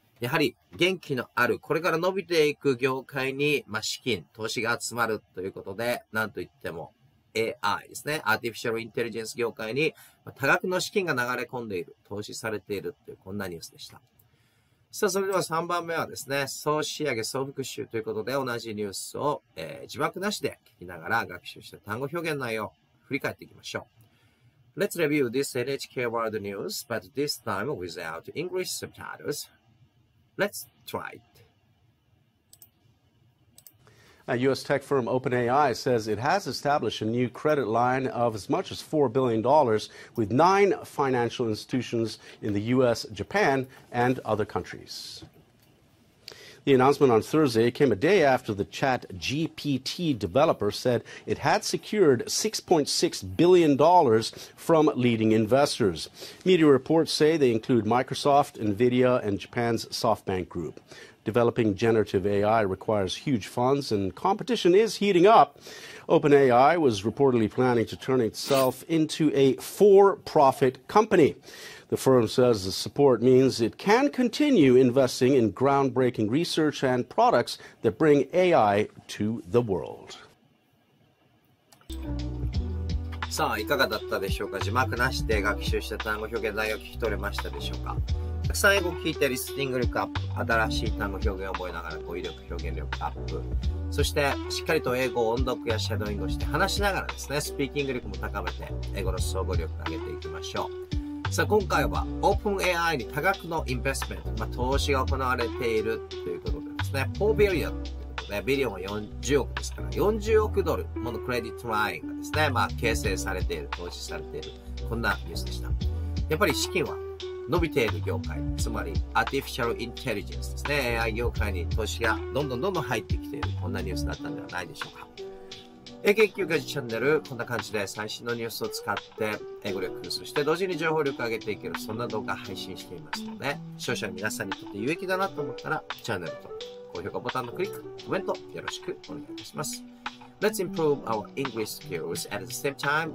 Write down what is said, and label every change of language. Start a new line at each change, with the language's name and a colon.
Japanese: やはり元気のあるこれから伸びていく業界に、まあ、資金投資が集まるということで、なんといっても AI ですね、アーティフィシャルインテリジェンス業界に多額の資金が流れ込んでいる、投資されているというこんなニュースでした。さあそれでは3番目はですね、総仕上げ総復習ということで、同じニュースを、字幕なしで聞きながら学習した単語表現内容を振り返っていきましょう。
English: Let's review this NHK World News, but this time without English subtitles. Let's try it. A U.S. tech firm OpenAI says it has established a new credit line of as much as $4 billion with 9 financial institutions in the U.S., Japan, and other countries. The announcement on Thursday came a day after the ChatGPT developer said it had secured $6.6 billion from leading investors. Media reports say they include Microsoft, Nvidia, and Japan's SoftBank Group. Developing generative AI requires huge funds, and competition is heating up. OpenAI was reportedly planning to turn itself into a for-profit company. The firm says the support means it can continue investing in groundbreaking research and products that bring AI to the world.
Japanese: さあ、いかがだったでしょうか。字幕なしで学習した単語表現内容聞き取れましたでしょうか。たくさん英語聞いてリスニング力アップ、新しい単語表現を覚えながら語彙力表現力アップ、そしてしっかりと英語を音読やシャドーイングして話しながらですね、スピーキング力も高めて英語の総合力を上げていきましょう。さあ今回は OpenAI に多額のインベスメント、まあ、投資が行われているということでですね、4 billion ということで、ビリオンは40億ですから、40億ドルものクレジットラインがですね、まあ、形成されている、投資されている、こんなニュースでした。やっぱり資金は伸びている業界、つまりアーティフィシャルインテリジェンスですね、 AI 業界に投資がどんどんどんどん入ってきている、こんなニュースだったんではないでしょうか。英研究家チャンネル、こんな感じで最新のニュースを使って英語力、そして同時に情報力を上げていける、そんな動画配信していますので、視聴者の皆さんにとって有益だなと思ったらチャンネル登録、高評価ボタンのクリック、コメントよろしくお願いします。
English: Let's improve our English skills at the same time.